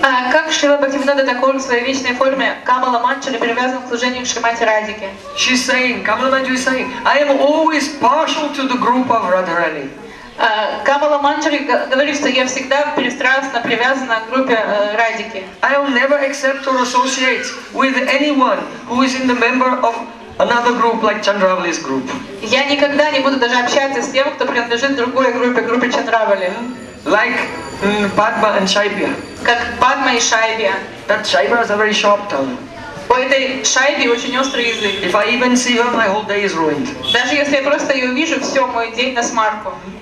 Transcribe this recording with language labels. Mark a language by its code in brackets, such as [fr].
[ru] Как Шрила Бхактивинода Такур в своей вечной форме Камала Манджари привязан к служению к Шримати Радхике. [en] She's saying, Kamala Manjari is saying, I am always partial to the group of Radharani. [ru] Камала Манджари говорит, что я всегда пристрастно привязана к группе Радхики. [en] I will never accept or associate with anyone who is in the member of another group like Chandravali's group. [ru] Я никогда не буду даже общаться с тем, кто принадлежит другой группе, группе Чандравали. [en] Like Padma and Shaibya. [ru] Как Padma и Shaibya. [en] That Shaibya has a very sharp tongue. [ru] У этой Shaibya очень острый язык. [en] If I even see her, my whole day is ruined. [ru] Даже если я просто ее увижу, все, мой день на смарку.